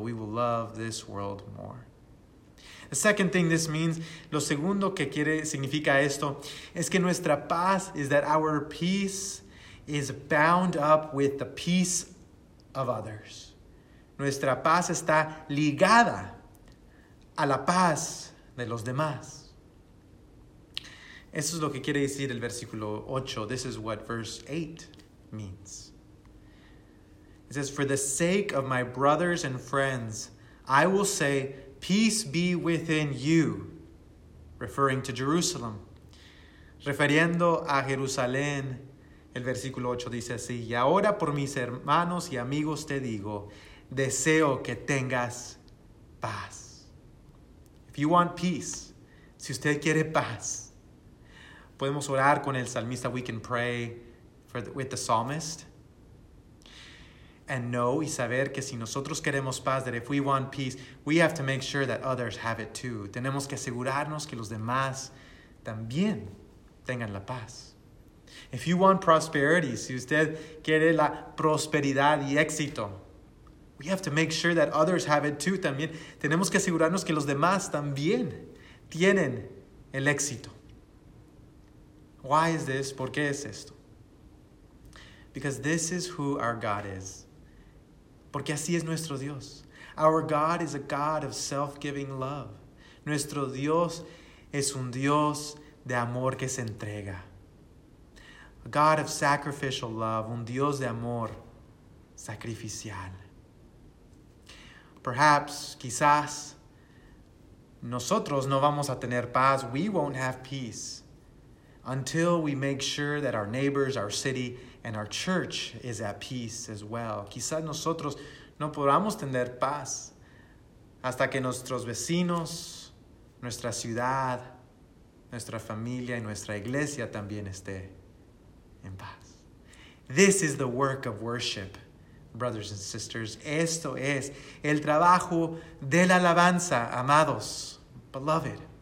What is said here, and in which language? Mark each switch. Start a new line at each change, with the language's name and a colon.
English: We will love this world more. The second thing this means,
Spanish: lo segundo que quiere significa esto, es que nuestra paz,
English: is that our peace is bound up with the peace of others.
Spanish: Nuestra paz está ligada a la paz de los demás. Eso es lo que quiere decir el versículo 8.
English: This is what verse 8 means. It says, for the sake of my brothers and friends, I will say, peace be within you. Referring to Jerusalem.
Spanish: Refiriendo a Jerusalén, el versículo 8 dice así, y ahora por mis hermanos y amigos te digo, deseo que tengas paz.
English: If you want peace,
Spanish: si usted quiere paz, podemos orar con el salmista.
English: We can pray with the psalmist. And know
Spanish: y saber que si nosotros queremos paz,
English: that if we want peace, we have to make sure that others have it too.
Spanish: Tenemos que asegurarnos que los demás también tengan la paz.
English: If you want prosperity,
Spanish: si usted quiere la prosperidad y éxito,
English: we have to make sure that others have it too.
Spanish: También tenemos que asegurarnos que los demás también tienen el éxito.
English: Why is this?
Spanish: ¿Por qué es esto?
English: Because this is who our God is.
Spanish: Porque así es nuestro Dios.
English: Our God is a God of self-giving love.
Spanish: Nuestro Dios es un Dios de amor que se entrega.
English: A God of sacrificial love,
Spanish: un Dios de amor sacrificial. Perhaps, quizás, nosotros no vamos a tener paz.
English: We won't have peace until we make sure that our neighbors, our city, and our church is at peace as well.
Spanish: Quizás nosotros no podamos tener paz hasta que nuestros vecinos, nuestra ciudad, nuestra familia y nuestra iglesia también esté en paz.
English: This is the work of worship, brothers and sisters.
Spanish: Esto es el trabajo de la alabanza, amados, beloved.